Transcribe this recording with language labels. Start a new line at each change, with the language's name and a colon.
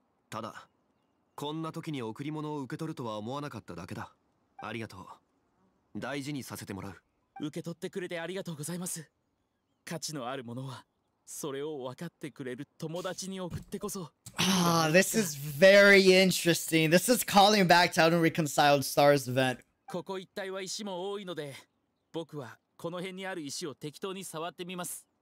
Japanese: ただ、こんな時に贈り物を受け取るとは思わなかっただけだ。ありがとう。大事にさせてもらう。受け取ってくれてありがとうございます。価値のあるものは、それを分かってくれる友達に送ってこそ。
English: This is very interesting. This is calling back to an Unreconciled Stars event.
Japanese: ここ一帯は石も多いので、僕はこの辺にある石を適当に触ってみます。